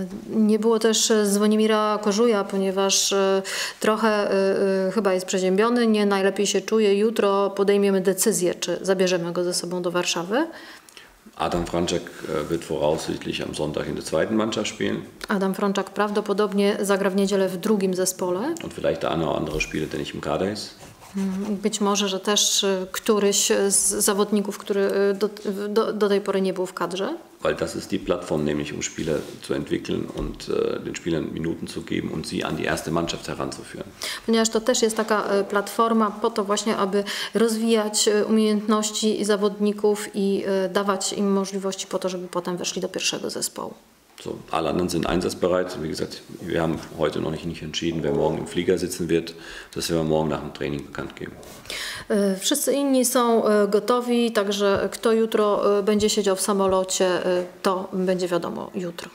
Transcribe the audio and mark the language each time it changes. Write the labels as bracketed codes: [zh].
[pl] Nie było też Zvonimira Kožuja, ponieważ trochę chyba jest przeziębiony, nie najlepiej się czuje. Jutro podejmiemy decyzję, czy zabierzemy go ze sobą do Warszawy. [de] Adam Franczak wird voraussichtlich am Sonntag in der zweiten Mannschaft spielen. [pl] Adam Franczak prawdopodobnie zagra w niedzielę w drugim zespole. [de] Und vielleicht der eine oder andere Spieler, der nicht im Kader ist. [pl] Być może, że też któryś z zawodników, który do tej pory nie był w kadrze. [de] Weil das ist die Plattform, nämlich um Spieler zu entwickeln und den Spielern Minuten zu geben und sie an die erste Mannschaft heranzuführen. [pl] Ponieważ to też jest taka platforma po to właśnie, aby rozwijać umiejętności zawodników i dawać im możliwości po to, żeby potem weszli do pierwszego zespołu. [de] So, alle anderen sind einsatzbereit. Wie gesagt, wir haben heute noch nicht entschieden, wer morgen im Flieger sitzen wird. Das werden wir morgen nach dem Training bekannt geben. [pl] Wszyscy inni są gotowi, także kto jutro będzie siedział w samolocie, to będzie wiadomo jutro.